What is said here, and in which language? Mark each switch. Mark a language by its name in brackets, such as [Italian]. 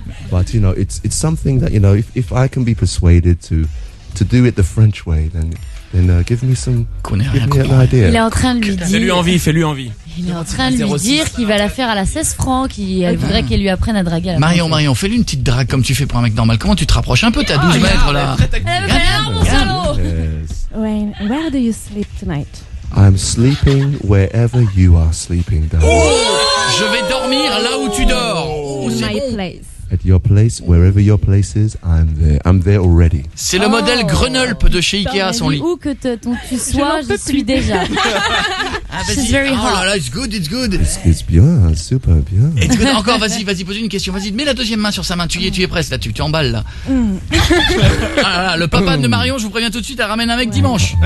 [English] But you know, it's something that, you know, if I can be persuaded to do it the French way, then give me some an idea. [French] Il est en train de lui dire. Fais-lui envie. Il est en train de lui dire qu'il va la faire à la 16 francs, qu'il voudrait qu'elle lui apprenne à draguer. Marion, fais-lui une petite drague comme tu fais pour un mec normal. Comment tu te rapproches un peu? T'es à 12 mètres là. Regarde mon salaud. [English] Wayne, where do you sleep tonight? I'm sleeping wherever you are sleeping, darling. [French] Je vais dormir là où tu dors. [English] In my place. At your place, wherever your place is, I'm there. I'm there already. [French] C'est le modèle Grenolpe de chez Ikea, son lit. Où que tu sois, je suis déjà. [English] She's very hot. Oh là là, it's good, it's good. [French] It's bien, super bien. [English] It's good. [French] Encore, vas-y, vas-y, pose une question. Vas-y, mets la deuxième main sur sa main. Tu es presque, là, tu emballes, là. Ah là là, le papa de Marion, je vous préviens tout de suite, elle ramène un mec dimanche.